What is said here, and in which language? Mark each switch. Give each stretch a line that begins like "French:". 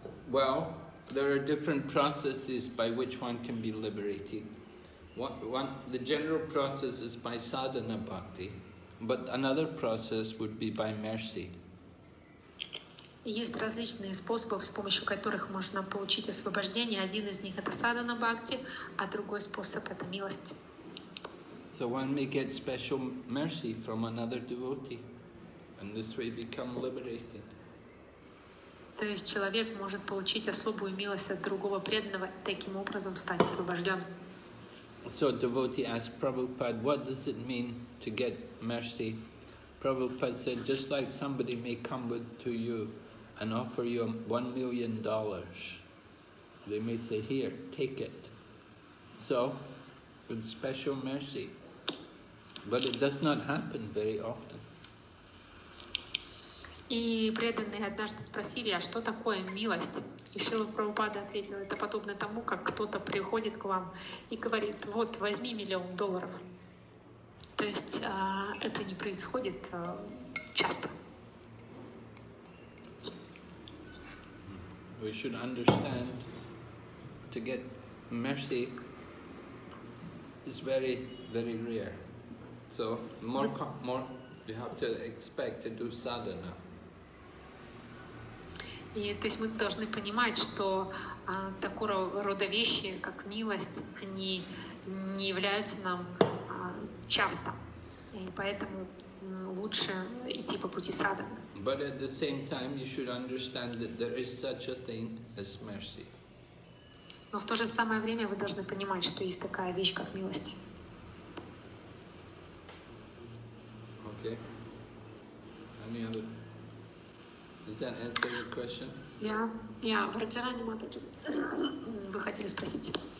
English: Well, there are different processes by which one can be liberated. The general process is by sadhana bhakti, but another process would be by mercy.
Russian: Есть различные способы, с помощью которых можно получить освобождение. Один из них — это садхана бхакти, а другой способ — это милость.
English: So one may get special mercy from another devotee, and this way become liberated.
Russian: То есть человек может получить особую милость от другого преданного и таким образом стать освобожденным.
English: So devotee asked Prabhupada, what does it mean to get mercy? Prabhupada said, just like somebody may come with to you and offer you $1,000,000, they may say, here, take it. So with special mercy. But it does not happen very often.
Russian: И преданные однажды спросили, а что такое милость? И Шрила Прабхупада ответил, это подобно тому, как кто-то приходит к вам и говорит, вот, возьми $1,000,000. То есть это не происходит часто.
English: We should understand to get mercy is very, very rare. So more you have to expect to do sadhana.
Russian: И то есть мы должны понимать, что такого рода вещи, как милость, они не являются нам часто. И поэтому лучше идти по пути садхана.
English: But at the same time you should understand that there is such a thing as mercy.
Russian: Но в то же самое время вы должны понимать, что есть такая вещь, как милость.
English: Okay. Any other? Does that answer your question?
Russian: Yeah, Vrajarani Mataji, вы хотели спросить.